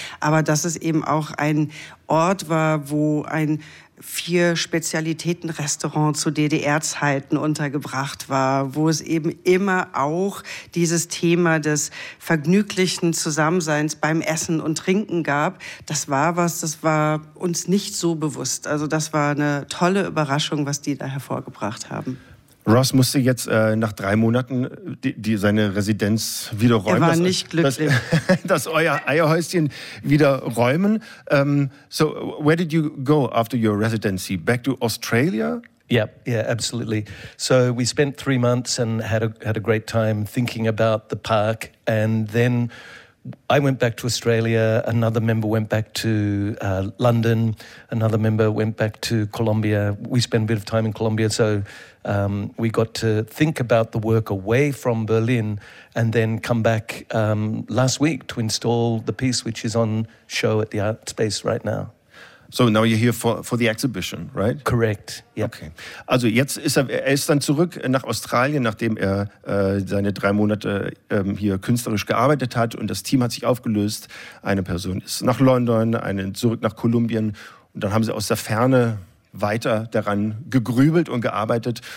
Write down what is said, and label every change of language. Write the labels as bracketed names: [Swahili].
[German] Aber dass es eben auch ein Ort war, wo ein 4 Spezialitäten-Restaurant zu DDR-Zeiten untergebracht war, wo es eben immer auch dieses Thema des vergnüglichen Zusammenseins beim Essen und Trinken gab. Das war was, das war uns nicht so bewusst. Also das war eine tolle Überraschung, was die da hervorgebracht haben. Ross musste jetzt nach 3 Monaten seine Residenz wieder räumen. Er war nicht glücklich. Das euer Eierhäuschen wieder räumen. [English] So, where did you go after your residency? Back to Australia? Yeah, absolutely. So we spent 3 months and had a great time thinking about the park. And then I went back to Australia. Another member went back to London. Another member went back to Colombia. We spent a bit of time in Colombia. So we got to think about the work away from Berlin and then come back last week to install the piece, which is on show at the Art Space right now. So now you're here for the exhibition, right? Correct, yeah. Okay. [German] Also jetzt ist er ist dann zurück nach Australien, nachdem er seine 3 Monate hier künstlerisch gearbeitet hat und das Team hat sich aufgelöst. Eine Person ist nach London, eine zurück nach Kolumbien und dann haben sie aus der Ferne weiter daran gegrübelt und gearbeitet.